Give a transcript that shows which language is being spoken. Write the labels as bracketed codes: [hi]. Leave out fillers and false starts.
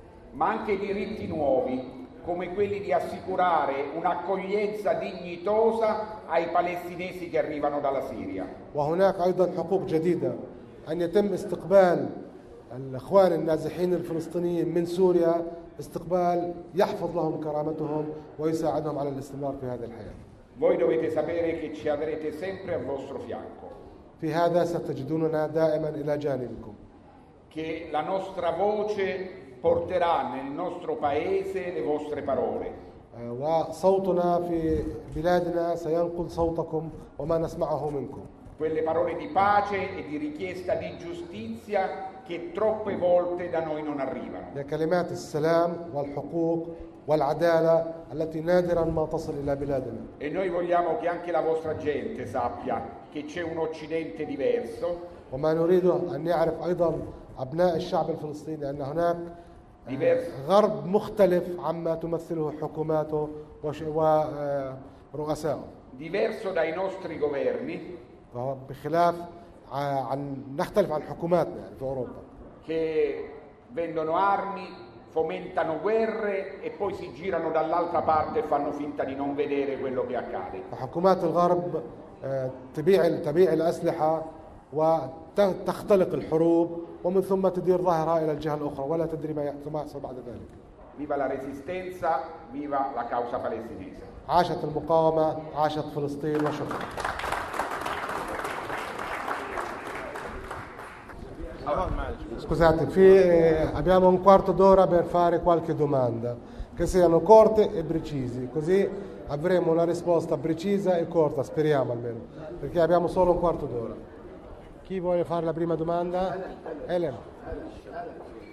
[it] Ma anche diritti nuovi, come quelli di assicurare un'accoglienza dignitosa ai palestinesi che arrivano dalla Siria. [ar] وهناك أيضا حقوق جديدة أن يتم استقبال الإخوان النازحين الفلسطينيين من سوريا استقبال يحفظ لهم كرامتهم ويساعدهم على الاستمرار في هذه الحياة. [it] Voi dovete sapere che ci avrete sempre al vostro fianco. [ar] في هذا ستجدوننا دائما إلى جانبكم. [it] Che la nostra voce porterà nel nostro paese le vostre parole. [ar] وصوتنا في بلادنا سينقل صوتكم وما نسمعه منكم. [it] Quelle parole di pace e di richiesta di giustizia che troppe volte da noi non arrivano. [ar] Le كلمات السلام والحقوق والعدالة التي نادرا ما تصل إلى بلادنا. [it] E noi vogliamo che anche la vostra gente sappia che c'è un Occidente diverso. [ar] وما نريد أن يعرف أيضا أبناء الشعب الفلسطيني أن هناك غرب مختلف عما تمثله حكوماته ورؤسائه. [it] Diverso dai nostri governi. [ar] بخلاف عن نختلف عن حكوماتنا في أوروبا. [it] Che vendono armi, fomentano guerre e poi si girano dall'altra parte e fanno finta di non vedere quello che accade. [ar] حكومات الغرب تبيع الأسلحة وتختلق الحروب ومن ثم تدير ظاهرة إلى الجهة الأخرى ولا تدري ما يحصل بعد ذلك. [it] Viva la resistenza, viva la causa palestinese. [ar] عاشت المقاومة، عاشت فلسطين وشكرا. [it] Scusate, abbiamo un quarto d'ora per fare qualche domanda, che siano corte e precise, così avremo una risposta precisa e corta, speriamo almeno, perché abbiamo solo un quarto d'ora. Chi vuole fare la prima domanda? Elena.